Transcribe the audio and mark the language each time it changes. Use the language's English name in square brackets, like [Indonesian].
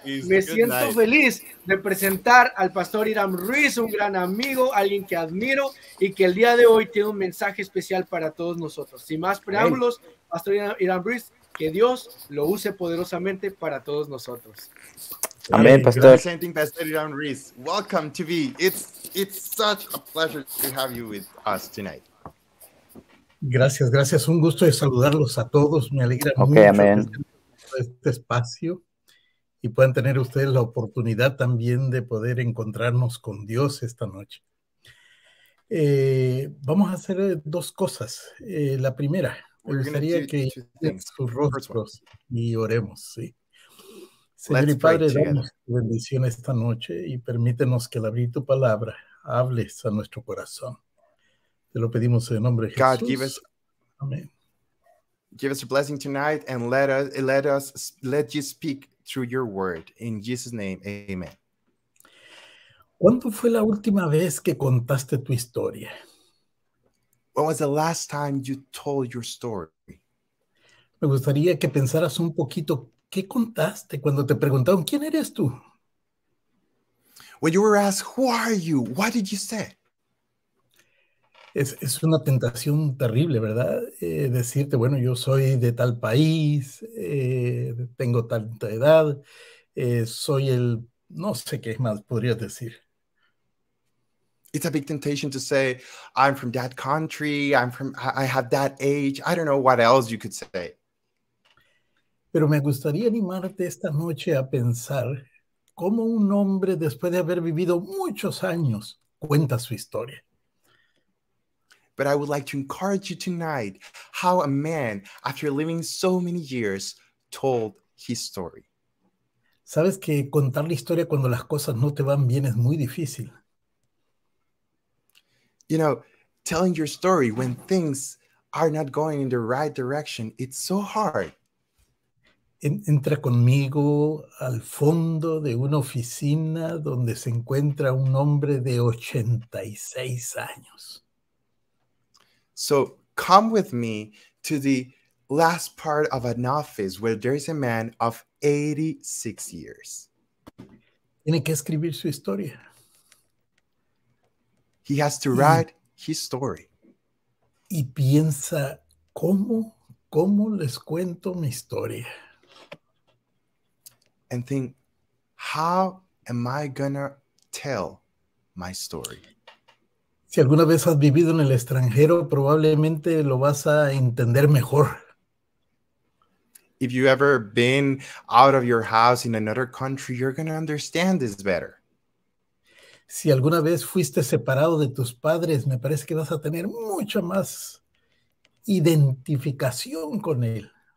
[Spanish] Me siento feliz de presentar al Pastor Hiram Ruiz, un gran amigo, alguien que admiro y que el día de hoy tiene un mensaje especial para todos nosotros. Sin más preámbulos, Pastor Hiram Ruiz, que Dios lo use poderosamente para todos nosotros. Amén, pastor. [English] Presenting Pastor Hiram Ruiz. Welcome to be. It's such a pleasure to have you with us tonight. [Spanish] Gracias, gracias. Un gusto de saludarlos a todos. Me alegra mucho este espacio y puedan tener ustedes la oportunidad también de poder encontrarnos con Dios esta noche. Vamos a hacer dos cosas. La primera, me gustaría que en sus rostros y oremos, sí. Señor y Padre, damos bendición esta noche y permítenos que al abrir tu palabra hables a nuestro corazón. Te lo pedimos en nombre de Jesús. [English] God, give us a blessing tonight and let you speak through your word. In Jesus' name, amen. [Spanish] ¿Cuándo fue la última vez que contaste tu historia? [English] When was the last time you told your story? [Spanish] Me gustaría que pensaras un poquito qué contaste cuando te preguntaron quién eres tú. [English] When you were asked, who are you? What did you say? [Spanish] Es una tentación terrible, ¿verdad? Decirte, bueno, yo soy de tal país, tengo tanta edad, soy el, no sé qué más podrías decir. [English] It's a big temptation to say, I'm from that country, I have that age, I don't know what else you could say. [Spanish] Pero me gustaría animarte esta noche a pensar cómo un hombre, después de haber vivido muchos años, cuenta su historia. [English] But I would like to encourage you tonight how a man, after living so many years, told his story. [Spanish] Sabes que contar la historia cuando las cosas no te van bien es muy difícil. [English] You know, telling your story when things are not going in the right direction, it's so hard. [Spanish] Entra conmigo al fondo de una oficina donde se encuentra un hombre de 86 años. [English] So come with me to the last part of an office where there is a man of 86 years. [Spanish] Tiene que escribir su historia. [English] He has to write his story. [Spanish] Y piensa, ¿cómo les cuento mi historia? [English] And think, how am I gonna tell my story? [Spanish] Si alguna vez has vivido en el extranjero, probablemente lo vas a entender mejor. [English] If you ever been out of your house in another country, you're going to understand this better. [Spanish] Si alguna vez fuiste separado de tus padres, me parece que vas a tener mucha más identificación con él.